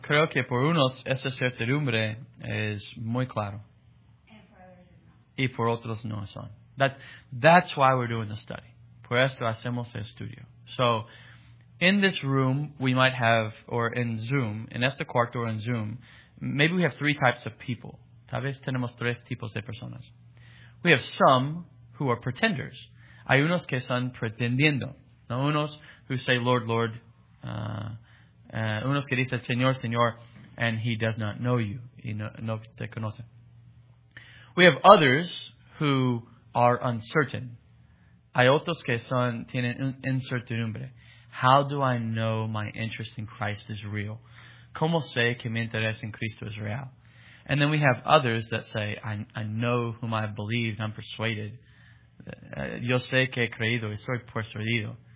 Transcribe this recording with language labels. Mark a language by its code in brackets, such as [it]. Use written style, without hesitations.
[es] Creo que por unos esa certidumbre es muy claro. Y por otros no son. [en] That's why we're doing the study. [es] Por eso hacemos el estudio. [en] So, in this room, we might have, or in Zoom, in [es] este cuarto [en] or in Zoom, maybe we have three types of people. [es] Tal vez tenemos tres tipos de personas. [en] We have some who are pretenders. [es] Hay unos que son pretendiendo. [en] No, unos who say, Lord, Lord, [es] unos que dicen, Señor, Señor, [en] and he does not know you. [es] Y no te conoce. [en] We have others who are uncertain. [es] Hay otros que son, tienen incertidumbre. [en] How do I know my interest in Christ is real? [es] ¿Cómo sé que mi interés en Cristo es real? [en] And then we have others that say, I know whom I have believed, I'm persuaded. [es] Yo sé que he creído, estoy persuadido.